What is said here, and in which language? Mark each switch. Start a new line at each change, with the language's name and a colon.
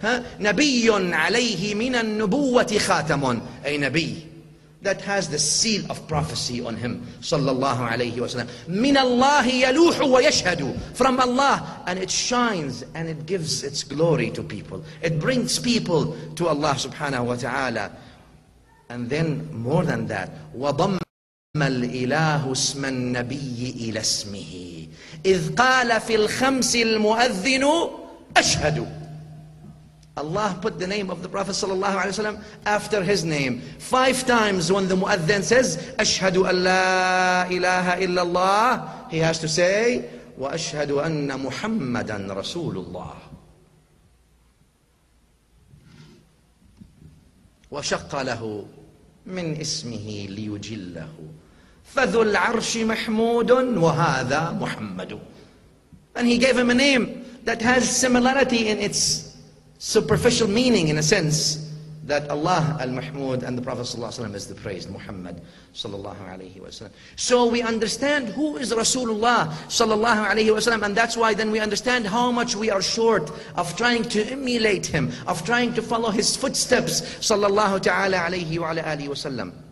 Arabic: نَبِيٌّ عَلَيْهِ مِنَ النُّبُوَّةِ خَاتَمٌ.
English: A Nabi that has the seal of prophecy on him sallallahu alayhi wa sallam.
Arabic: مِنَ اللَّهِ يَلُوحُ وَيَشْهَدُ.
English: From Allah, and it shines and it gives its glory to people. It brings people to Allah subhanahu wa ta'ala. And then more than that,
Arabic: وَضَمْ مَا الْإِلَهُ اسْمَ النَّبِيِّ إِلَى اسْمِهِ إِذْ قَالَ فِي الْخَمْسِ الْمُؤَذِّنُ أَشْهَدُ.
English: Allah put the name of the Prophet sallallahu alayhi wa sallam after his name. Five times when the muadhin says,
Arabic: أَشْهَدُ أَنْ لَا إِلَهَ إِلَّا اللَّهِ,
English: he has to say,
Arabic: وَأَشْهَدُ أَنَّ مُحَمَّدًا رَسُولُ اللَّهِ وَشَقَّ لَهُ من اسمه ليجله فذو العرش محمود وهذا محمد.
English: And he gave him a name that has similarity in its superficial meaning, in a sense that Allah al-Mahmud and the Prophet sallallahu alayhi wa sallam is the praised Muhammad sallallahu alayhi wa sallam. So we understand who is Rasulullah sallallahu alayhi wa sallam, and that's why then we understand how much we are short of trying to emulate him, of trying to follow his footsteps sallallahu ta'ala alayhi wa alayhi wa sallam.